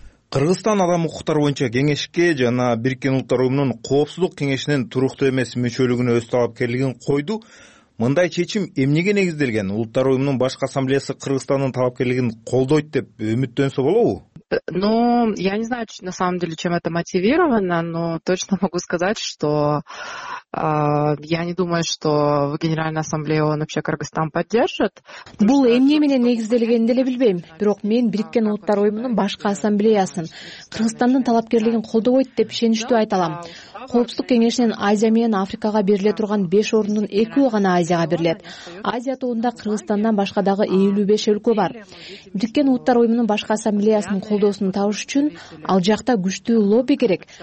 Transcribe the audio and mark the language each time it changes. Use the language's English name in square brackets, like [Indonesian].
[Kyrgyz] Кыргызстан адам укуктары боюнча кеңешке жана Бириккен Улуттар Уюмунун Коопсуздук Кеңешинин туруктуу эмес мүчөлүгүнө өз талапкерлигин койду. Мындай чечим эмнеге негизделген? Улуттар уюмунун башкы ассамблеясы Кыргызстандын талапкерлигин колдойт деп үмүттөнсө болобу? [Russian] Ну, я не знаю, на самом деле, чем это мотивировано, но точно могу сказать, что я не думаю, что в Генеральной Ассамблее он вообще Кыргызстан поддержит. [Kyrgyz] Бул эмне менен негизделгенин деле билбейм, бирок мен Бириккен Улуттар Уюмунун башкы ассамблеясын Кыргызстандын талапкерлигин колдобойт деп ишеничтүү айта алам. Коопсуздук кеңешинен Азия менен Африкага бериле турган 5 орундун 2 гана Азияга берилет. Азия тоонунда Кыргызстандан башка дагы 55 өлкө бар. Бириккен Улуттар Уюмунун башкы ассамблеясынын колдоосун табыш үчүн ал жакта күчтүү лобби керек.